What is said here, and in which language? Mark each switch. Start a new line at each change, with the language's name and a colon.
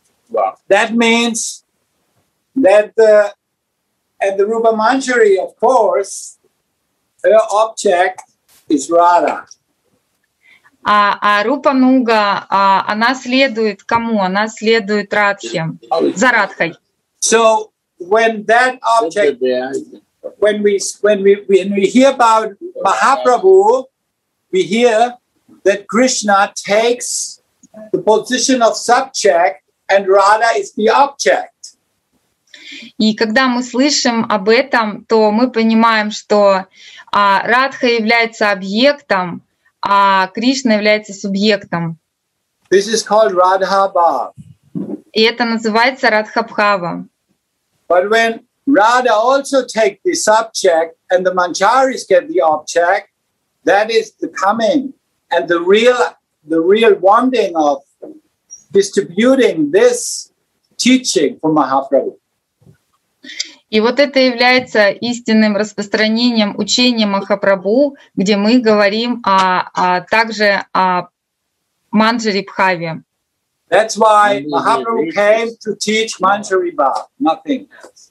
English: Well, that means that at the Rupa Manjari, of course, her object is Radha.
Russian: А Рупа Нуга, она следует кому? Она следует Радхе, за Радхой.
English: So when that object, when we hear about Mahaprabhu, we hear that Krishna takes the position of subject and Radha is the object.
Russian: И когда мы слышим об этом, то мы понимаем, что Радха является объектом, а Кришна является субъектом.
English: This is called Radha-bhava.
Russian: И это называется Радха-бхава.
English: But when Radha also takes the subject and the Mancharis get the object, that is the coming and the real wanting of distributing this teaching from Mahaprabhu.
Russian: И вот это является истинным распространением учения Махапрабху, где мы говорим также о Манджари Бхаве.
English: That's why Mahaprabhu came to teach Manjari Bhava, nothing else.